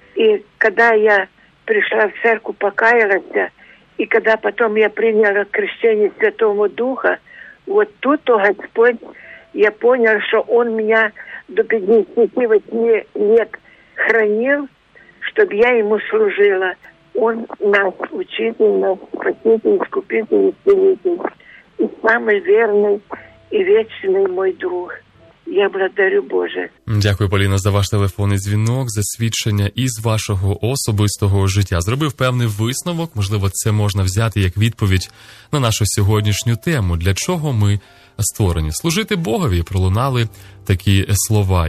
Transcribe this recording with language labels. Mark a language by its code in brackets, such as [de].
[uk] І коли я прийшла в церкву, покаялася, і коли потім я прийняла хрещення Святого Духа, от тут то Господь, я поняла, що Він мене до 58 років хранив, щоб я йому служила. [ru] Он нас, учитель, нас, спаситель, искупитель, исцелитель. И самый верный и вечный мой друг. Я благодарю Боже. [uk] Дякую, Поліна, за ваш телефонний дзвінок, за свідчення із вашого особистого життя. Зробив певний висновок, можливо, це можна взяти як відповідь на нашу сьогоднішню тему. Для чого ми створені? Служити Богові, пролунали такі слова.